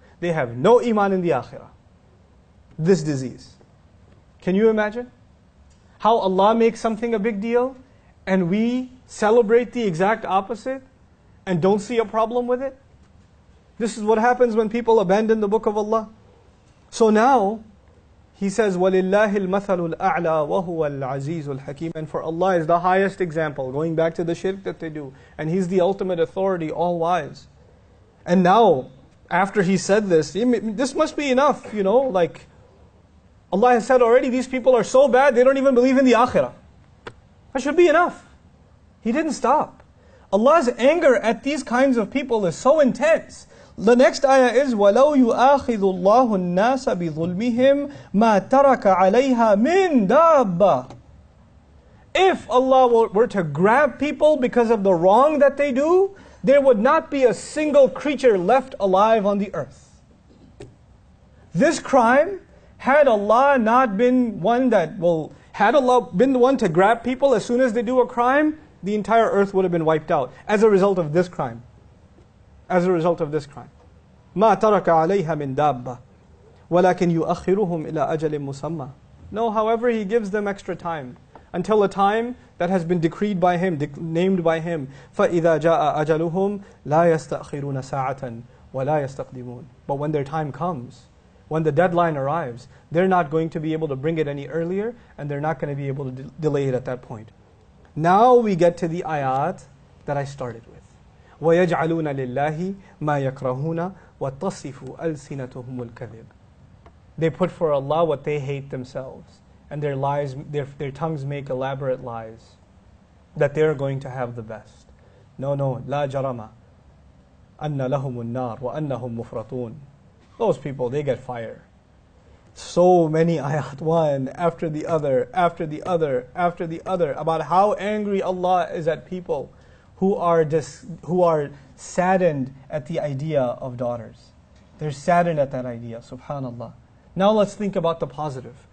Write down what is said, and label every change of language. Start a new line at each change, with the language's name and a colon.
English: They have no iman in the akhirah. This disease. Can you imagine? How Allah makes something a big deal, and we celebrate the exact opposite, and don't see a problem with it? This is what happens when people abandon the book of Allah. So now, he says,
Arabic: وَلِلَّهِ الْمَثَلُ الْأَعْلَى وَهُوَ الْعَزِيزُ الْحَكِيمُ.
English: And for Allah is the highest example, going back to the shirk that they do. And He's the ultimate authority, all wise. And now, after he said this, this must be enough, you know, like, Allah has said already, these people are so bad, they don't even believe in the akhirah. That should be enough. He didn't stop. Allah's anger at these kinds of people is so intense. The next ayah is,
Arabic: وَلَوْ يُؤَاخِذُ اللَّهُ النَّاسَ بِظُلْمِهِمْ مَا تَرَكَ عَلَيْهَا مِنْ دَابَّةٍ.
English: If Allah were to grab people because of the wrong that they do, there would not be a single creature left alive on the earth. This crime, had Allah not been one that, well, had Allah been the one to grab people as soon as they do a crime, the entire earth would have been wiped out as a result of this crime. As a result of this crime.
Arabic: مَا تَرَكَ عَلَيْهَا مِنْ دَابَّةِ وَلَكِنْ يُؤَخِّرُهُمْ إِلَىٰ أَجَلٍ مُسَمَّى.
English: No, however, he gives them extra time. Until a time that has been decreed by him, named by him.
Arabic: فَإِذَا جَاءَ أَجَلُهُمْ لَا يَسْتَأْخِرُونَ سَاعَةً وَلَا يَسْتَقْدِمُونَ.
English: But when their time comes, when the deadline arrives, they're not going to be able to bring it any earlier, and they're not going to be able to delay it at that point. Now we get to the ayat that I started with.
Arabic: ويجعلون لله ما يكرهون وتصف ألسنتهم الكذب.
English: They put for Allah what they hate themselves, and their lies, their tongues make elaborate lies that they are going to have the best. No,
Arabic: لا جرم أن لهم النار وأنهم مفرطون.
English: Those people, they get fire. So many ayat, one after the other, after the other, after the other, about how angry Allah is at people who are saddened at the idea of daughters. They're saddened at that idea, subhanAllah. Now let's think about the positive.